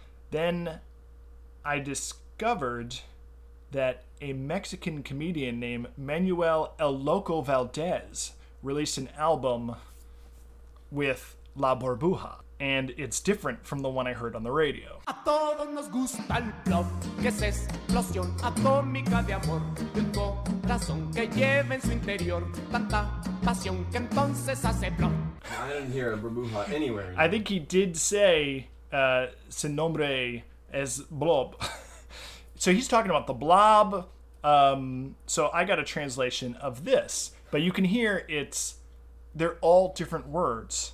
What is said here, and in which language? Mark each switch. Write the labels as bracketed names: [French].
[English] Then I discovered that a Mexican comedian named Manuel El Loco Valdez released an album with La Burbuja, and it's different from the one I heard on the radio. [Spanish] A todos nos gusta el blob, que es explosión atómica de amor, de un corazón que lleva en su interior tanta pasión que entonces hace blob. [English] I didn't hear a burbuja anywhere. I think he did say, [Spanish] su nombre es blob. [English] So he's talking about the blob. So I got a translation of this, but you can hear it's, they're all different words.